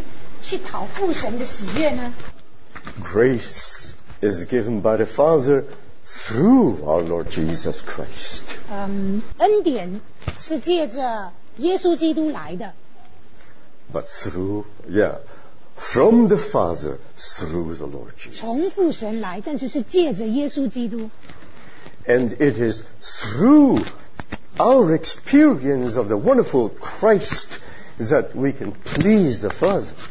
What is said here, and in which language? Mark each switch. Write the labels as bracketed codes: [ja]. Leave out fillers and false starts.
[zh] 所以如果我们不认识这么一位丰富的耶稣基督，就是保罗在以弗所书里所形容的，我们怎能去讨父神的喜悦呢？ [en] Grace is given by the Father through our Lord Jesus Christ. [zh] 恩典是借着耶稣基督来的。 [en] But through, yeah, from the Father through the Lord Jesus. [zh] 从父神来，但是是借着耶稣基督。 [en] And it is through our experience of the wonderful Christ that we can please the Father.